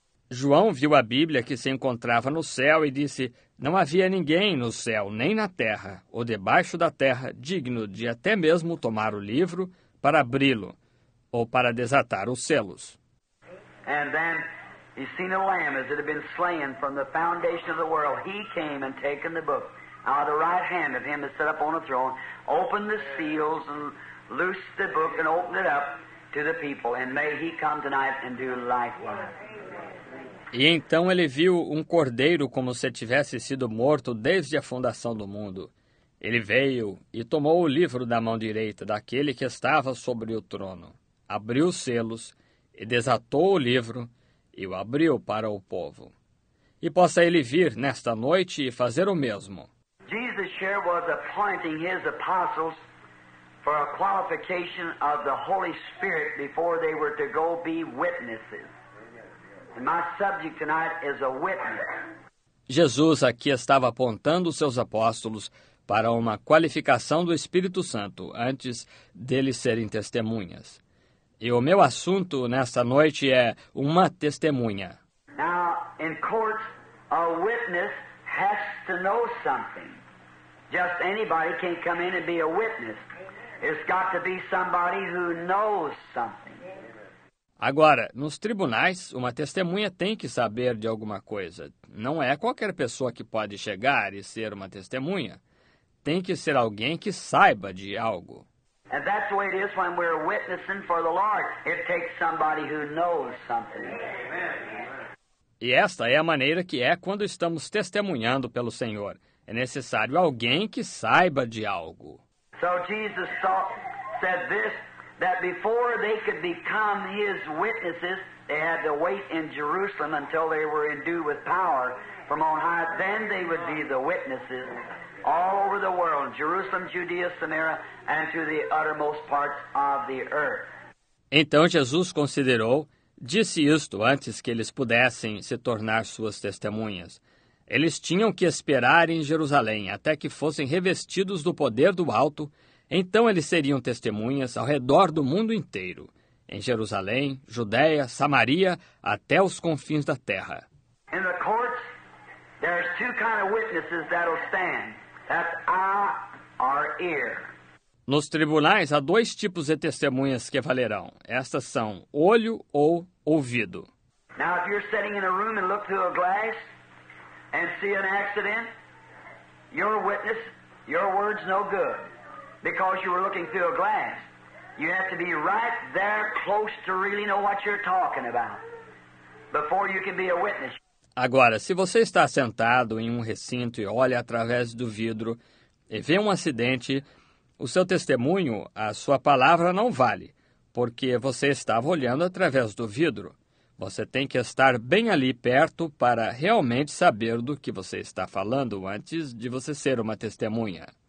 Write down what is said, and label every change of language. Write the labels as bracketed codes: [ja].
[pt] João viu a Bíblia que se encontrava no céu e disse, não havia ninguém no céu, nem na terra, ou debaixo da terra, digno de até mesmo tomar o livro para abri-lo, ou para desatar os selos. [en] And then he seen a lamb as it had been slain from the foundation of the world. He came and taken the book out of the right hand of him that sat upon a throne, opened the seals and loosed the book and opened it up to the people, and may he come tonight and do likewise. [pt] E então ele viu um cordeiro como se tivesse sido morto desde a fundação do mundo. Ele veio e tomou o livro da mão direita daquele que estava sobre o trono, abriu os selos e desatou o livro e o abriu para o povo. E possa ele vir nesta noite e fazer o mesmo. [en] Jesus here was appointing his apostles for a qualification of the Holy Spirit before they were to go be witnesses. And my subject tonight is a witness. [pt] Jesus aqui estava apontando seus apóstolos para uma qualificação do Espírito Santo antes deles serem testemunhas. E o meu assunto nesta noite é uma testemunha. [en] Now, in court, a witness has to know something. Just anybody can come in and be a witness. It's got to be somebody who knows something. [pt] Agora, nos tribunais, uma testemunha tem que saber de alguma coisa. Não é qualquer pessoa que pode chegar e ser uma testemunha. Tem que ser alguém que saiba de algo. [en] And that's the way it is when we're witnessing for the Lord. It takes somebody who knows something. [pt] E esta é a maneira que é quando estamos testemunhando pelo Senhor. É necessário alguém que saiba de algo. [en] So Jesus said this, that before they could become his witnesses, they had to wait in Jerusalem until they were endued with power from on high. Then they would be the witnesses all over the world, Jerusalem, Judea, Samaria, and to the uttermost parts of the earth. [pt] Então Jesus considerou, disse isto antes que eles pudessem se tornar suas testemunhas. Eles tinham que esperar em Jerusalém até que fossem revestidos do poder do alto. Então eles seriam testemunhas ao redor do mundo inteiro, em Jerusalém, Judeia, Samaria, até os confins da terra. [en] In the courts, there's two kind of witnesses that'll stand. That's eye or ear. [pt] Nos tribunais, há dois tipos de testemunhas que valerão. Estas são olho ou ouvido. [en] Now, if you're sitting in a room and look through a glass and see an accident, your witness, your word's no good. Because you were looking through a glass, you have to be right there close to really know what you're talking about before you can be a witness. [pt] Agora, se você está sentado em um recinto e olha através do vidro e vê um acidente, o seu testemunho, a sua palavra não vale, porque você estava olhando através do vidro. Você tem que estar bem ali perto para realmente saber do que você está falando antes de você ser uma testemunha.